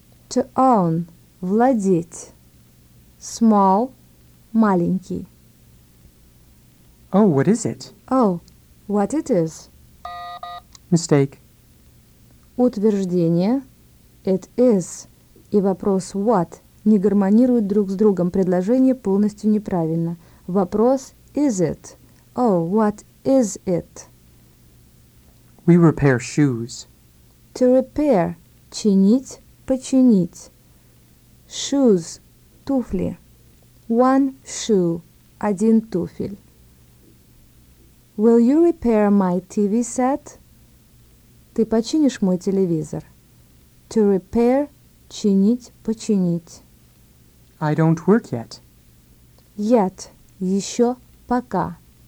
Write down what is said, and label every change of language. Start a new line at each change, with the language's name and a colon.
English: To own.
Russian: Владеть.
English: Small.
Russian: Маленький.
English: Oh, what is it? Oh, what it is? Mistake. Утверждение. It is.
Russian: И вопрос what не гармонируют друг с другом. Предложение полностью неправильно.
English: Вопрос is it? Oh, what is it? We repair shoes. To repair.
Russian: Чинить, починить.
English: Shoes. Туфли. One shoe.
Russian: Один туфель.
English: Will you repair my TV set?
Russian: Ты починишь мой телевизор?
English: To repair,
Russian: чинить, починить.
English: I don't work yet.
Russian: Yet, еще пока.